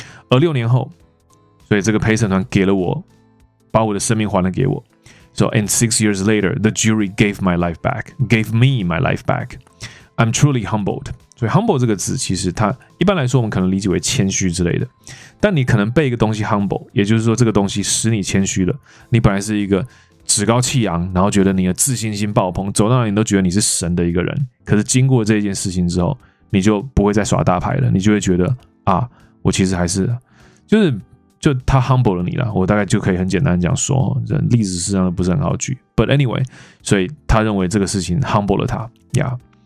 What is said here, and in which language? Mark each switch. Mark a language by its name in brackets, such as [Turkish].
[Chinese] 而六年后，所以这个陪审团给了我，把我的生命还了给我。 [English] So, and 6 years later, the jury gave my life back, gave me my life back. I'm truly humbled. [Chinese] 所以 humble 这个词其实它一般来说我们可能理解为谦虚之类的，但你可能被一个东西 humble， 也就是说这个东西使你谦虚了，你本来是一个趾高气扬，然后觉得你的自信心爆棚，走到哪里你都觉得你是神的一个人，可是经过这件事情之后你就不会再耍大牌了，你就会觉得啊，我其实还是就是就他 humble 了你了，我大概就可以很简单讲说，这例子实际上不是很好举 ， [English] but anyway， [Chinese] 所以他认为这个事情 humble 了他呀。